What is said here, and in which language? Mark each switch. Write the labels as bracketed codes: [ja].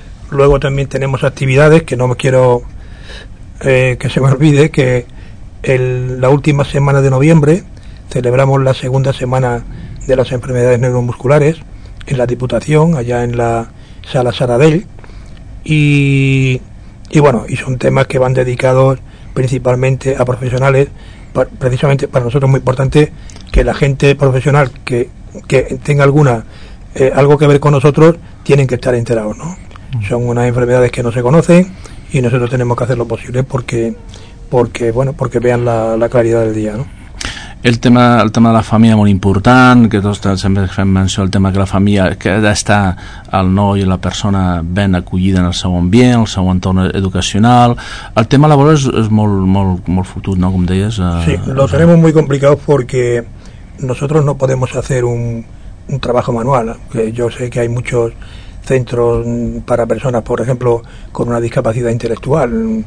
[es] Luego también tenemos actividades, que no me quiero que se me olvide, que la última semana de noviembre celebramos la segunda semana de las enfermedades neuromusculares en la Diputación, allá en la Sala Saradell, y bueno, y son temas que van dedicados principalmente a profesionales, precisamente para nosotros es muy importante que la gente profesional que tenga algo que ver con nosotros tienen que estar enterados, ¿no? Son unas enfermedades que no se conocen y nosotros tenemos que hacer lo posible porque vean la claridad del día, ¿no? [ca] El tema de la família molt important, que tots sempre fem menció al tema que la família, que ha d'estar el noi i la persona ben acollida en el seu ambient, el seu entorn educacional. El tema laboral és molt, molt, molt fotut, no?, com deies. [es] Sí, lo tenemos muy complicado porque nosotros no podemos hacer un trabajo manual. Yo sé que hay muchos centros para personas, por ejemplo, con una discapacidad intelectual.